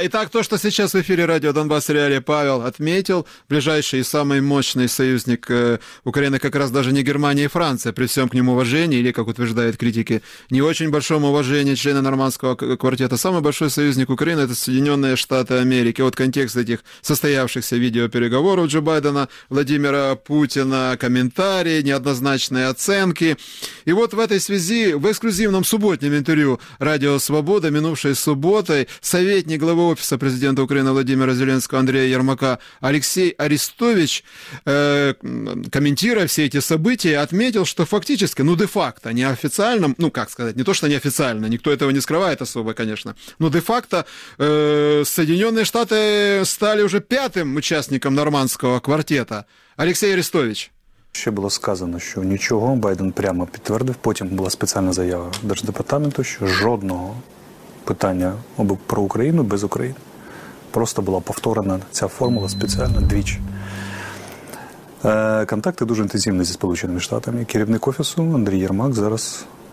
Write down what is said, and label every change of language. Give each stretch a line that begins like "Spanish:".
Ukrainian: І так, то, що зараз в ефірі радіо Донбас Реалі Павел відмітив, ближайший і наймощніший союзник України, якраз навіть не Германія і Франція, при всьому к ньому уваженні, і, як утверждають критики, не дуже великому уваженні члена нормандського квартету, найбільший союзник України –
Russian: Соединенные Штаты Америки. Вот контекст этих состоявшихся видеопереговоров Джо Байдена, Владимира Путина, комментарии, неоднозначные оценки. И вот в этой связи в эксклюзивном субботнем интервью «Радио Свобода» минувшей субботой советник главы Офиса Президента Украины Владимира Зеленского Андрея Ермака Алексей Арестович, комментируя все эти события, отметил, что фактически, ну де-факто, неофициально, ну как сказать, не то что неофициально, никто этого не скрывает особо, конечно, но де-факто Соединенные Штаты стали уже пятым участником нормандского квартета. Алексей Арестович.
Ukrainian: Ще було сказано, що нічого, Байден прямо підтвердив, потім була спеціальна заява Держдепартаменту, що жодного питання про Україну без України. Просто була повторена ця формула спеціально двічі. Контакти дуже інтенсивні зі Сполученими Штатами. Керівник офісу Андрій Єрмак зараз...